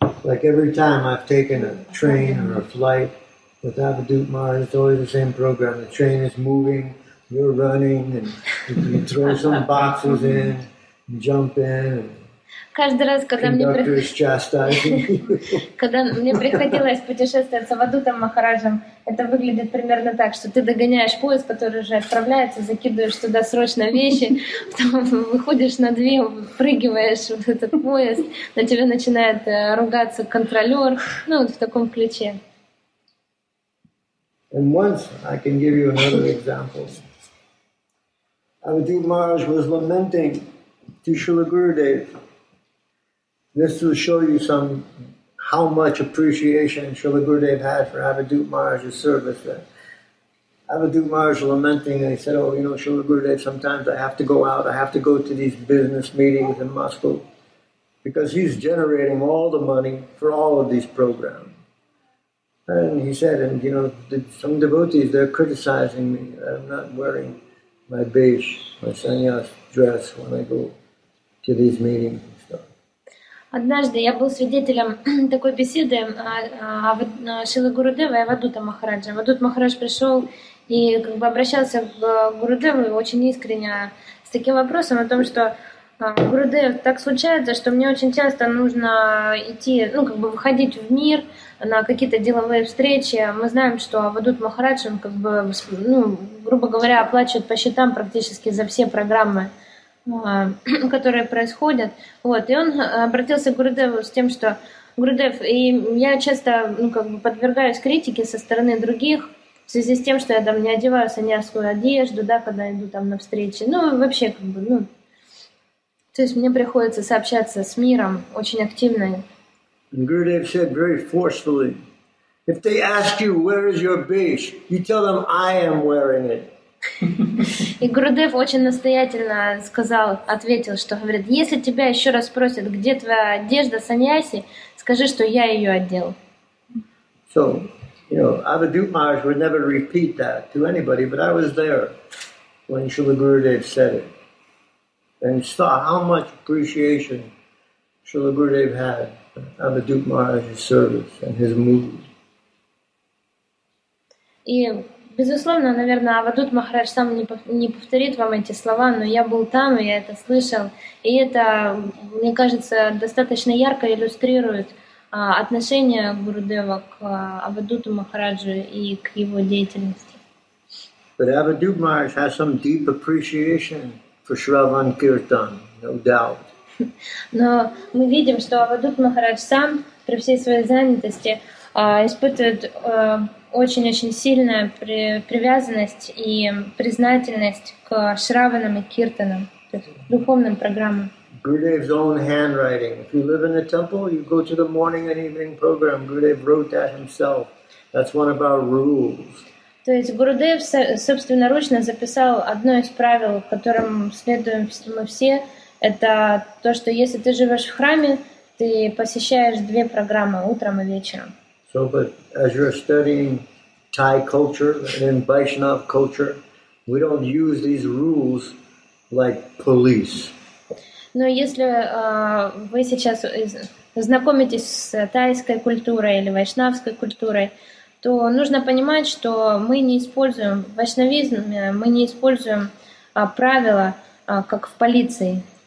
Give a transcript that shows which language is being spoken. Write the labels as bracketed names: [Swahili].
[English] Like every time I've taken a train or a flight with Avadhut Maharaj, it's always the same program. The train is moving, you're running, and you throw some boxes in, and jump in. And... [Russian] Каждый раз, когда мне приходилось путешествовать с Авадутом Махараджем, это выглядит примерно так, что ты догоняешь поезд, который уже отправляется, закидываешь туда срочно вещи, потом выходишь на две, прыгиваешь в этот поезд, на тебя начинает ругаться контролер, ну вот в таком ключе. [English] And once I can give you another example. Avadhut Maharaj was lamenting to Srila Gurudev. This will show you some how much appreciation Srila Gurudev had for Avadhut Maharaj's service. Avadhut Maharaj lamenting, and he said, "Oh, you know, Srila Gurudev, sometimes I have to go out. I have to go to these business meetings in Moscow because he's generating all the money for all of these programs." And he said, "And you know, some devotees they're criticizing me. I'm not wearing my beige, my sannyas dress when I go to these meetings." [Russian] Однажды я был свидетелем такой беседы Шрилы Гурудева и Авадута Махараджа. Авадут Махарадж пришел и как бы обращался к Гурудеву очень искренне с таким вопросом о том, что Гурудев, так случается, что мне очень часто нужно идти, ну как бы выходить в мир на какие-то деловые встречи. Мы знаем, что Авадут Махарадж, он как бы, ну, грубо говоря, оплачивает по счетам практически за все программы, которые происходят. Вот. И он обратился к Гурудеву с тем, что Гурудев, и я часто ну, как бы подвергаюсь критике со стороны других в связи с тем, что я там не одеваю саньясскую одежду, да, когда иду там на встречи. Ну, вообще, как бы, ну, то есть мне приходится сообщаться с миром очень активно. [English] Гурудев said very forcefully, if they ask you, where is your beige, you tell them, I am wearing it. [Russian] И Гурудев очень настоятельно сказал, ответил, что говорит, если тебя еще раз спросят, где твоя одежда саньяси, скажи, что я ее одел. [English] So, you know, Avadhut Maharaj would never repeat that to anybody, but I was there when Srila Gurudev said it. And saw how much appreciation Srila Gurudev had for Avadhut Maharaj's service and his mood. [Russian] И безусловно, наверное, Авадут Махарадж сам не повторит вам эти слова, но я был там, и я это слышал. И это, мне кажется, достаточно ярко иллюстрирует отношение Гурудева к Авадуту Махараджу и к его деятельности. [English] But Avadhut Maharaj has some deep appreciation for Shravan Kirtan, no doubt. [Russian] Но мы видим, что Авадут Махарадж сам при всей своей занятости испытывает очень-очень сильная привязанность и признательность к шраванам и киртанам, то есть духовным программам. [English] Gurudev's own handwriting. If you live in the temple, you go to the morning and evening program. Gurudev wrote that himself. That's one of our rules. [Russian] То есть Гурудев собственноручно записал одно из правил, которым следуем мы все. Это то, что если ты живешь в храме, ты посещаешь две программы утром и вечером. [English] So, but as you're studying Thai culture and Vaishnav culture, we don't use these rules like police. [Russian] Но если вы сейчас знакомитесь с тайской культурой или вайшнавской культурой, то нужно понимать, что мы не используем в вайшнавизме, мы не используем правила, как в полиции.